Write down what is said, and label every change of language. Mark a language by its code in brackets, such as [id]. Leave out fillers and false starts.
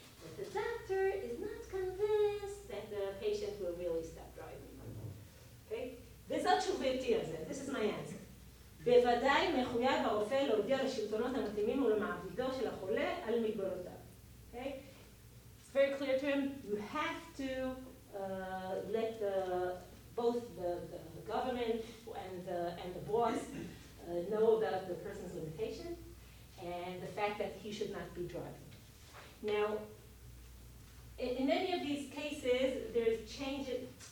[en] But the doctor is not convinced that the patient will really stop driving. Okay? This is not true with Tiazen. This is my answer. [he] בוודאי מחויב הרופא להודיע לשלטונות המתאימים ולמעבידו של החולה על מגבלותיו. [en] Okay? It's very clear to him. You have to let both the government and the boss know about the person's limitation and the fact that he should not be driving. Now, in any of these cases, there's changes.